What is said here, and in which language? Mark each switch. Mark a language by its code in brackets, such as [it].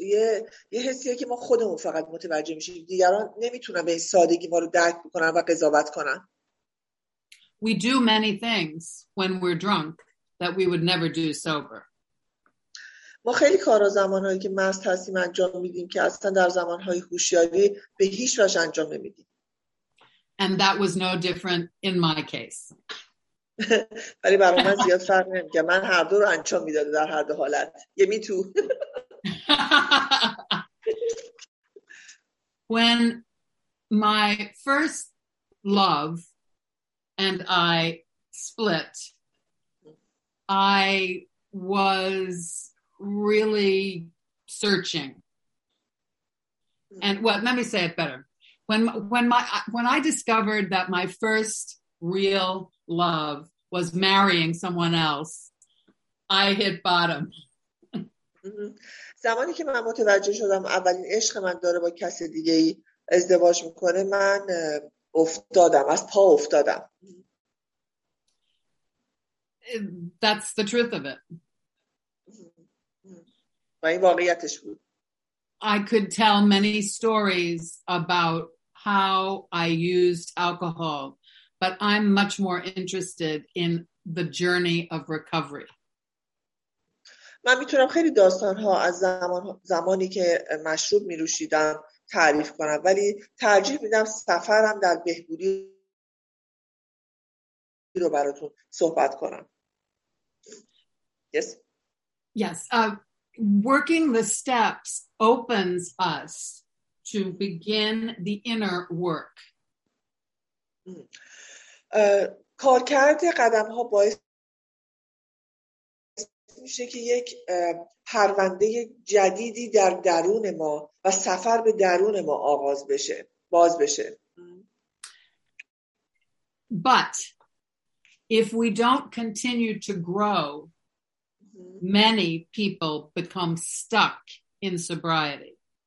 [fa] یه حسیه که ما خودمون فقط متوجه میشیم، دیگران نمیتونن به این سادگی ما رو درک بکنن و قضاوت کنن. [en] We do many things when we're drunk that we would never do sober. [fa] ما خیلی کارا زمانهایی که مست هستیم انجام میدیم که اصلا در زمانهای هوشیاری به هیچ وجه انجام نمیدیم. [en] And that was no different in my case. [fa] ولی برای من زیاد فرق نمی کنه، من هر دو رو انجام میدادم در هر دو حالت. [en] Yeah, me too. When my first love and I split, I was really searching. And well, let me say it better. When I discovered that my first real love was marrying someone else, I hit bottom. [fa] زمانی که من متوجه شدم اولین عشق من داره با کس دیگه‌ای ازدواج می‌کنه، من افتادم، از پا افتادم. [en] That's the truth of it. [fa] و این واقعیتش بود. [en] I could tell many stories about how I used alcohol, but I'm much more interested in the journey of recovery. [fa] من میتونم خیلی داستان‌ها از زمانی که مشروب می‌نوشیدم تعریف کنم، ولی ترجیح میدم سفرم در بهبودی رو براتون صحبت کنم. [en] Yes. Yes. Working the steps opens us to begin the inner work. [fa] کار کرده قدم‌ها باعث میشه که یک پرونده جدیدی در درون ما و سفر به درون ما آغاز بشه، باز بشه. [en] But if we don't continue to grow, many people become stuck in sobriety.